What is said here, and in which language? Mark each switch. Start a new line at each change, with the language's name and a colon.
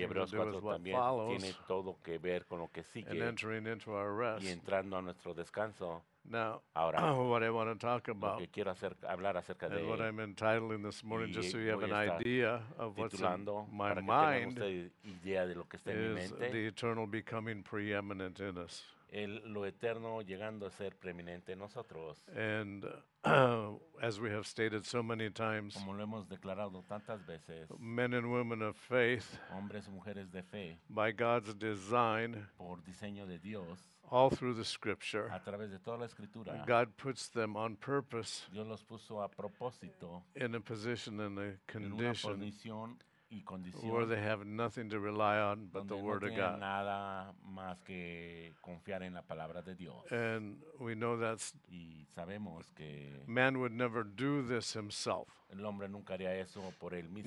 Spanish: y Hebreos 4 también tiene todo que ver con lo que sigue y entrando a nuestro descanso.
English: Now,
Spanish: ahora,
English: what I want to talk about,
Spanish: lo que quiero hablar acerca de,
English: and what I'm entitling this morning, just so you have an idea of what's in my mind,
Spanish: idea de lo que está
English: is
Spanish: en mi mente,
English: the eternal becoming preeminent in us.
Spanish: Lo eterno llegando a ser preeminente en nosotros.
English: And as we have stated so many times,
Spanish: como lo hemos declarado tantas veces,
English: men and women of faith,
Spanish: hombres y mujeres de fe,
English: by God's design,
Spanish: por diseño de Dios,
English: all through the scripture,
Spanish: a través de toda la escritura,
English: God puts them on purpose,
Spanish: Dios los puso a propósito,
English: in a position and a condition,
Spanish: en una posición y condición,
English: where they have nothing to rely on but the
Spanish: no
English: word of God.
Spanish: Donde no tienen nada más que confiar en la palabra de Dios.
English: And we know that's,
Spanish: y sabemos que,
English: man would never do this himself.
Spanish: El hombre nunca haría eso por él mismo.